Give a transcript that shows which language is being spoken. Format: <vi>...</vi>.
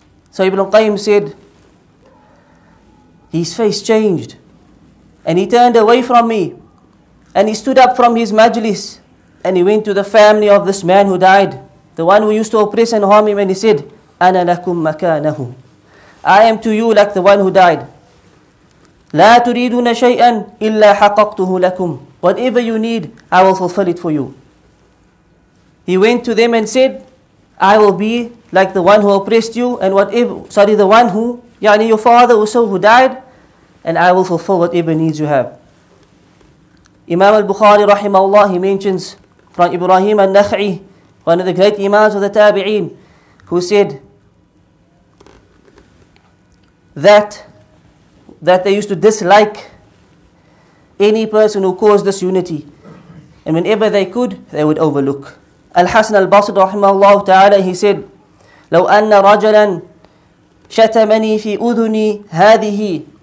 <en>So Ibn Qayyim said, his face changed and he turned away from me and he stood up from his majlis and he went to the family of this man who died, the one who used to oppress and harm him, and he said,</en> <ar>أَنَا لَكُمْ مَكَانَهُ.</ar> <en>I am to you like the one who died.</en> <ar>لا تريدون شيئا إلا حققته لكم.</ar> <en>Whatever you need, I will fulfill it for you. He went to them and said, I will be like the one who oppressed you, and your father also who died, and I will fulfill whatever needs you have. Imam al-Bukhari rahimahullah, he mentions from Ibrahim al-Nakhi, one of the great imams of the Tabi'een, who said that that they used to dislike any person who caused this unity. And whenever they could, they would overlook. Al-Hasan al-Basri rahimahullah ta'ala, he said,</en> <ar>لو أن رجلا شتمني في أذني هذه.</ar>